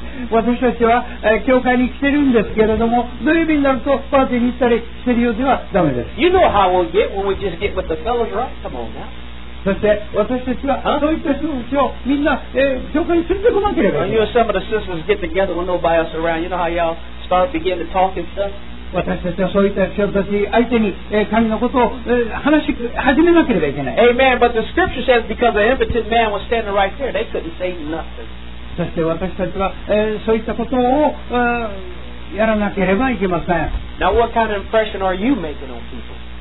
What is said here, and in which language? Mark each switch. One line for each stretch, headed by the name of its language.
Japanese: 私たちは、教会に来てるんですけれども、土曜日になるとパーティーに行ったりしてるようではダメです。
English: You know how we'll get when we just get with the fellows, right? Come on now.
Japanese: そして私たちは、huh? そういった人たちをみんな、教会に連れてこなければ。
English: You and some of the sisters get together with nobody else around. You know how y'all start begin to talk and stuff?
Japanese: 私たちはそういった人たち相手に神のことを話し始めなければいけない。
English: Amen. But the scripture says because an impotent man was standing right there, they couldn't say nothing.
Japanese: そして私たちはそういったことをやらなければいけません。
English: Now what kind of impression are you making on people?